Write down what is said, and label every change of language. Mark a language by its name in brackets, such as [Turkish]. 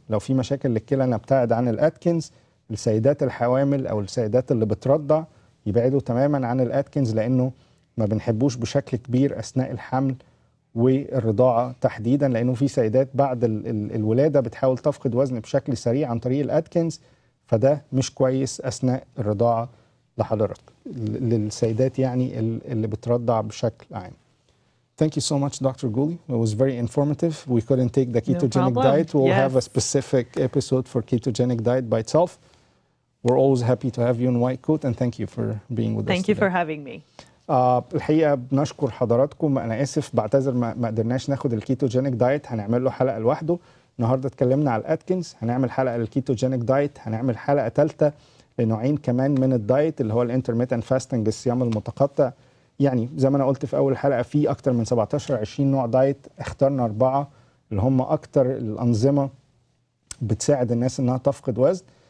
[Arabic] لو في مشاكل للكلى نبتعد عن الأتكنز. السيدات الحوامل أو السيدات اللي بترضع يبعدوا تماما عن الأتكنز، لأنه ما بنحبوش بشكل كبير أثناء الحمل والرضاعة تحديدا، لأنه في سيدات بعد الولادة بتحاول تفقد وزن بشكل سريع عن طريق الأتكنز، فده مش كويس أثناء الرضاعة لحضرتك للسيدات يعني اللي بترضع بشكل عام. [English] Thank you so much, Dr. Golie. It was very informative. We couldn't take the ketogenic diet. We'll have a specific episode for ketogenic diet by itself. We're always happy to have you in White Coat, and thank you for being with us today. Thank you for having me. [Arabic] الحقيقة بنشكر حضراتكم. أنا آسف بعتذر ما قدرناش ناخد الكيتوجينيك دايت, هنعمل له حلقة لوحده. النهاردة اتكلمنا على الأتكنز, هنعمل حلقة للكيتوجينيك دايت, هنعمل حلقة ثالثة لنوعين كمان من الدايت اللي هو الانترميتنت فاستنج, الصيام المتقطع. يعني زي ما أنا قلت في أول حلقة, في أكتر من 17-20 نوع دايت, اخترنا أربعة اللي هم أكتر الأنظمة بتساعد الناس أنها تفقد وزن.